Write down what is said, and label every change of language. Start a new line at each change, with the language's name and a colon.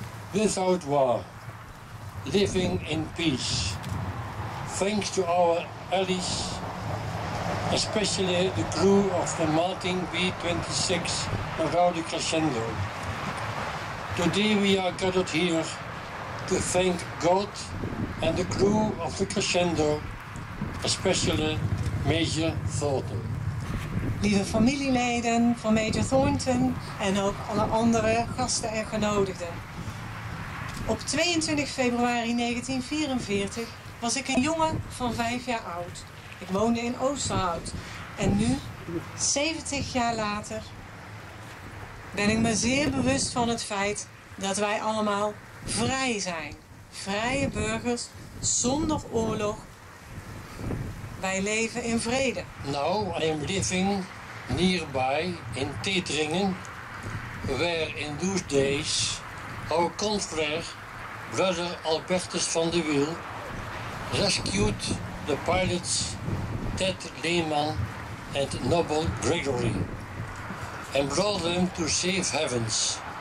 English: Without war, living in peace, thanks to our allies, especially the crew of the Martin B-26 Rode Crescendo. Today we are gathered here to thank God and the crew of the Crescendo, especially Major Thornton.
Dutch: Lieve familieleden van Major Thornton en ook alle andere gasten en genodigden. Op 22 februari 1944 was ik een jongen van 5 jaar oud. Ik woonde in Oosterhout. En nu, 70 jaar later, ben ik me zeer bewust van het feit dat wij allemaal vrij zijn. Vrije burgers, zonder oorlog. Wij leven in vrede.
English: Now I am living nearby in Teteringen, where in those days our confrère Brother Albertus van der Wiel rescued the pilots Ted Lehman and Noble Gregory and brought them to safe havens.